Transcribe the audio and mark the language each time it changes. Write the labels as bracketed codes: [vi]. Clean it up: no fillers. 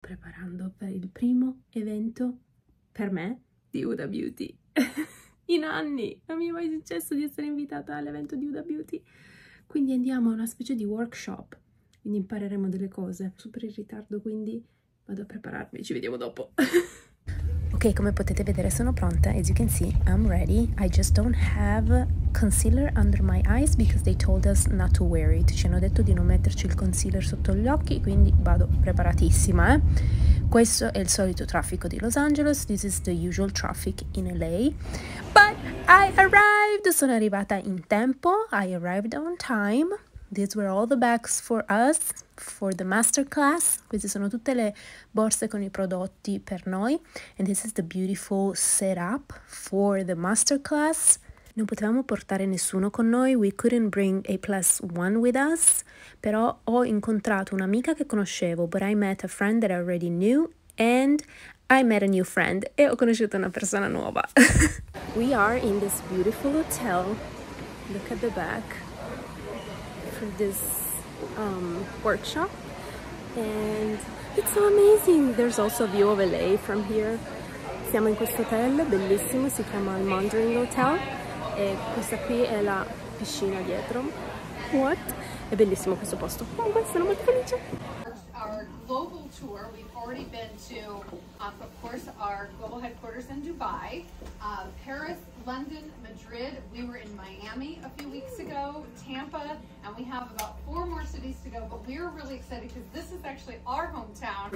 [it] preparando per il primo evento per me di Huda Beauty. In anni non mi è mai successo di essere invitata all'evento di Huda Beauty. Quindi andiamo a una specie di workshop, quindi impareremo delle cose. Super in ritardo, quindi vado a prepararmi, ci vediamo dopo. Ok, come potete vedere sono pronta. [en] As you can see, I'm ready. I just don't have concealer under my eyes because they told us not to wear it. [it] Ci hanno detto di non metterci il concealer sotto gli occhi, quindi vado preparatissima, eh. Questo è il solito traffico di Los Angeles. [en] This is the usual traffic in LA. But I arrived! [it] Sono arrivata in tempo. [en] I arrived on time. These were all the bags for us, for the masterclass. [it] Queste sono tutte le borse con i prodotti per noi. [en] And this is the beautiful setup for the masterclass. [it] Non potevamo portare nessuno con noi. [en] We couldn't bring a plus one with us. [it] Però ho incontrato un'amica che conoscevo. [en] But I met a friend that I already knew. And I met a new friend. [it] E ho conosciuto una persona nuova. [en] We are in this beautiful hotel. Look at the back. For this workshop, and it's so amazing. There's also a view of LA from here. [it] Siamo in questo hotel bellissimo, si chiama il Mandarin Hotel, e questa qui è la piscina dietro. What? È bellissimo questo posto. Comunque sono molto felice. [en] Our global tour, we've already been to, of course, our global headquarters in Dubai, Paris, London, Madrid, we were in Miami a few weeks ago, Tampa, and we have about four more cities to go, but we're really excited because this is actually our hometown.